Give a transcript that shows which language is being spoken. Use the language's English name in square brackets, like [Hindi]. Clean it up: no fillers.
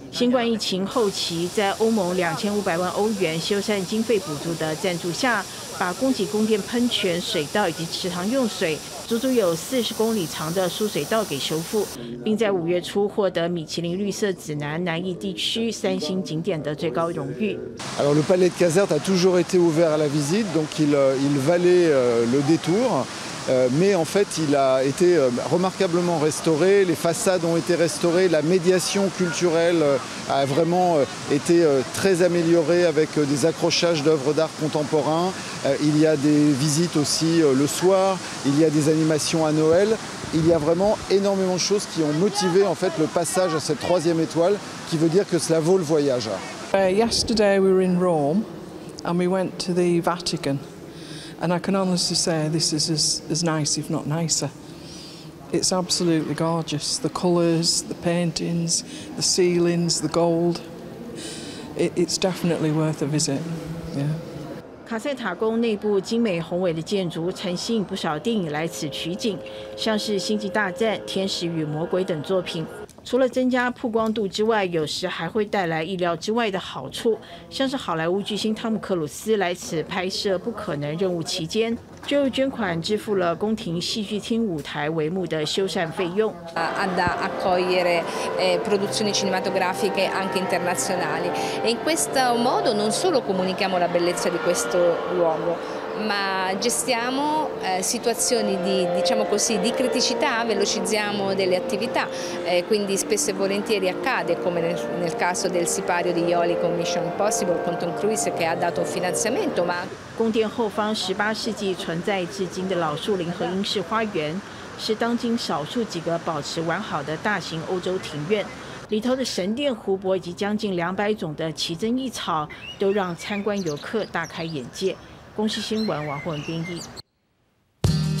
[Chinese] 新冠疫情后期，在欧盟2500万欧元修缮经费补助的赞助下，把供给宫殿喷泉、水道以及池塘用水，足足有40公里长的输水道给修复，并在5月初获得米其林绿色指南南意地区3星景点的最高荣誉。 [French] Alors le palais de Caserte a toujours été ouvert à la visite, donc il valait le détour. Mais en fait, il a été remarquablement restauré. Les façades ont été restaurées. La médiation culturelle a vraiment été très améliorée avec des accrochages d'œuvres d'art contemporains. Il y a des visites aussi le soir. Il y a des animations à Noël. Il y a vraiment énormément de choses qui ont motivé en fait le passage à cette 3e étoile, qui veut dire que cela vaut le voyage. [English] Yesterday, we were in Rome and we went to the Vatican. And I can honestly say this is as nice, if not nicer. It's absolutely gorgeous. The colours, the paintings, the ceilings, the gold. It's definitely worth a visit. Yeah. [Chinese] 卡塞塔宫内部精美宏伟的建筑曾吸引不少电影来此取景，像是《星际大战》《天使与魔鬼》等作品。除了增加曝光度之外，有时还会带来意料之外的好处，像是好莱坞巨星汤姆·克鲁斯来此拍摄《不可能任务》期间，就捐款支付了宫廷戏剧厅舞台帷幕的修缮费用。 [Italian] Andà accogliere produzioni cinematografiche anche internazionali. E in questo modo non solo comunichiamo la bellezza di questo luogo, ma gestiamo situazioni di diciamo così di criticità, velocizziamo delle attività. Quindi spesso e volentieri accade, come nel caso del sipario di Ioli con Mission Impossible, con Tom Cruise che ha dato finanziamento, ma [Chinese] 宫殿后方18世纪存在至今的老树林和英式花园，是当今少数几个保持完好的大型欧洲庭院。里头的神殿、湖泊以及将近200种的奇珍异草，都让参观游客大开眼界。公视新闻王宏文编译。